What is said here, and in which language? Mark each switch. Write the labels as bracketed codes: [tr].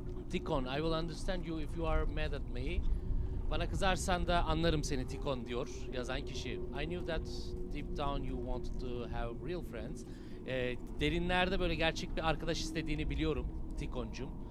[en] Tikon, I will understand you if you are mad at me. [tr] Bana kızarsan da anlarım seni Tikon diyor yazan kişi. [en] I knew that deep down you wanted to have real friends. [tr] Derinlerde böyle gerçek bir arkadaş istediğini biliyorum Tikoncum.